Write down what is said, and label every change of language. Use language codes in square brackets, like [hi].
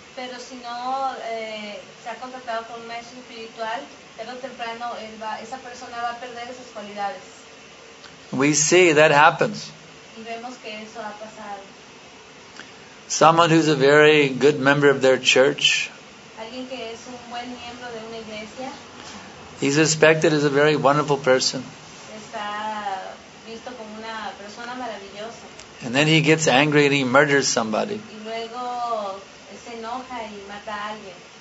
[es] Pero si no se ha contactado con un maestro espiritual, tarde o temprano esa persona va a perder esas cualidades. [en] We see that happens. [es] Y vemos que eso ha pasado. [en] Someone who's a very good member of their church, [es] alguien que es un buen miembro de una iglesia, [en] he's respected as a very wonderful person. [es] Está visto como una persona maravillosa. [en] And then he gets angry and he murders somebody. [es] Y luego se enoja y mata a alguien.